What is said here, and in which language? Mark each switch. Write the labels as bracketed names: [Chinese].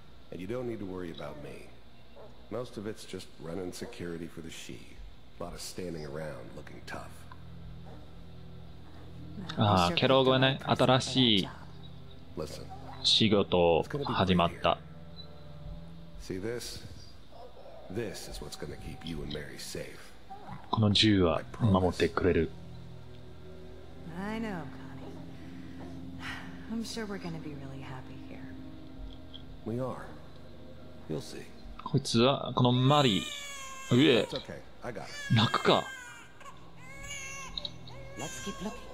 [English] And you don't need to worry about me. Most of it's just running security for the she. A lot of standing around looking tough. [Japanese] ああ、ケロがね、新しい仕事を始まった。 [English] See this? This is what's gonna keep you and Mary safe. [Japanese] この銃は守ってくれる。 [English] I know, Connie. I'm sure we're gonna be really happy here. We are. You'll see. [Japanese] こいつは、このマリー。うえ、泣くか。 [English] Let's keep looking.